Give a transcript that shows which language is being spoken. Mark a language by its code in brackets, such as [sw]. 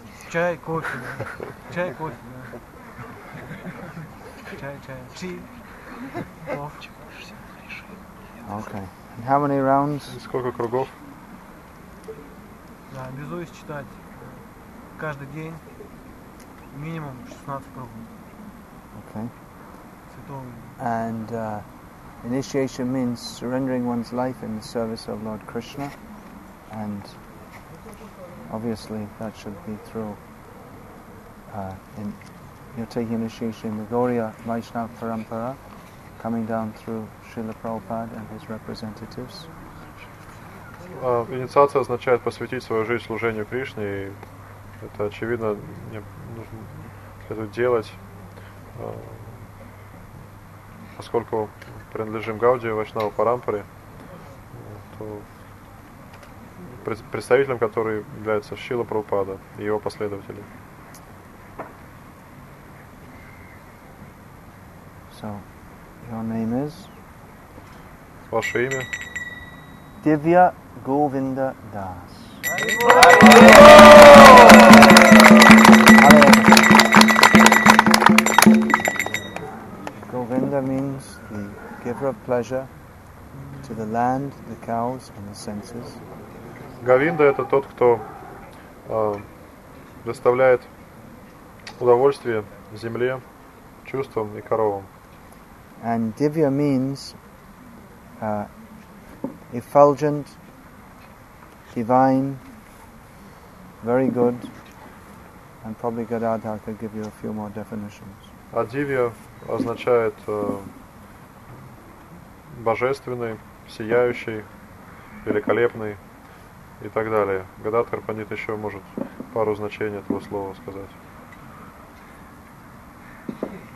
[ru] Чай, кофе, да. Чай, кофе, да. Чай, чай. Чи. Кофе. [en] Okay. And how many rounds? [ru] Сколько кругов? Да, обязуюсь читать каждый день минимум 16 кругов. [en] Okay. And initiation means surrendering one's life in the service of Lord Krishna, and obviously that should be through you're taking initiation in the Gauriya Vaishnava Parampara, coming down through Srila Prabhupada and his representatives. [ru] Инициация означает посвятить свою жизнь служению Кришне, и это очевидно, нужно это делать. Поскольку принадлежим Гаудии Вайшнава Парампаре, то представителем которой является Шрила Прабхупада и его последователи. [en] So, your name is? [ru] Ваше имя? [en] Divya Govinda Das. Govinda means the giver of pleasure to the land, the cows, and the senses. [ru] Govinda — это тот, кто доставляет удовольствие земле, чувствам и коровам. [en] And Divya means effulgent, divine, very good, and probably Gadadhar could give you a few more definitions. [ru] А Дивья означает божественный, сияющий, великолепный и так далее. Гададхар Пандит еще может пару значений этого слова сказать.